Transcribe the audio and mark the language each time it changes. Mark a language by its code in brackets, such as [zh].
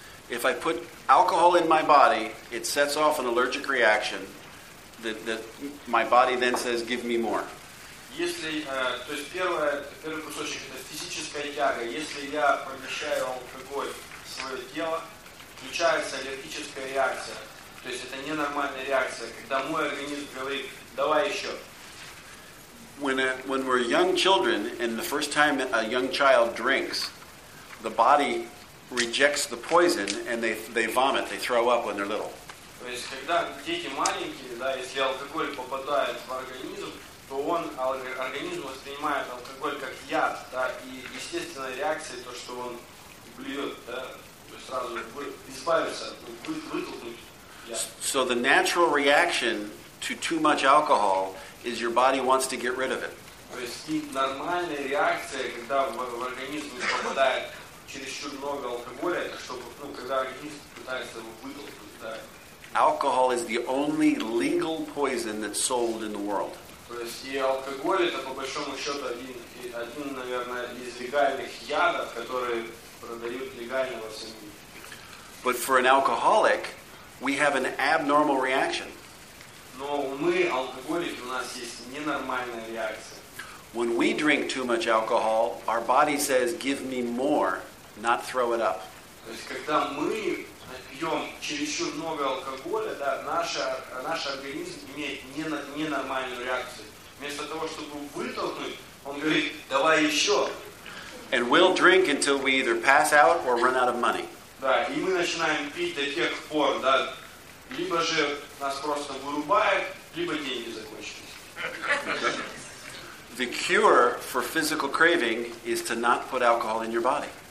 [en] If I put alcohol in my body, it sets off an allergic reaction that my body then says, give me more. [ru] Если, то есть первый кусочек это физическая тяга. Если я помещаю алкоголь в свое тело, включается аллергическая реакция. То есть это ненормальная реакция, когда мой организм говорит: давай еще. [en] When we're young children and the first time a young child drinks, the body rejects the poison and they vomit, they throw up when they're little. [ru] То есть когда дети маленькие, да, если алкоголь попадает в организм, то он организм воспринимает алкоголь как яд, да, и естественная реакция то, что он блюет, да, то есть сразу избавиться, вытолкнуть яд. [en] So the natural reaction to too much alcohol is your body wants to get rid of it. [ru] То есть и нормальная реакция, когда в организм попадает чересчур много алкоголя, это чтобы, ну, когда организм пытается его вытолкнуть, да. [en] Alcohol is the only legal poison that's sold in the world. [ru] То есть и алкоголь это по большому счету один, наверное, из легальных ядов, которые продают легально во всем мире. [en] But for an alcoholic, we have an abnormal reaction. [ru] Но мы, алкоголики, у нас есть ненормальная реакция. [en] When we drink too much alcohol, our body says, give me more, not throw it up. [ru] То есть когда мы пьем чересчур много алкоголя, да, наш организм имеет ненормальную реакцию. Вместо того, чтобы вытолкнуть, он говорит, давай еще. [en] And we'll drink until we either pass out or run out of money. [ru] Да, и мы начинаем пить до тех пор, да, либо же нас просто вырубает, либо деньги закончились. [en] The cure for physical craving is to not put alcohol in your body.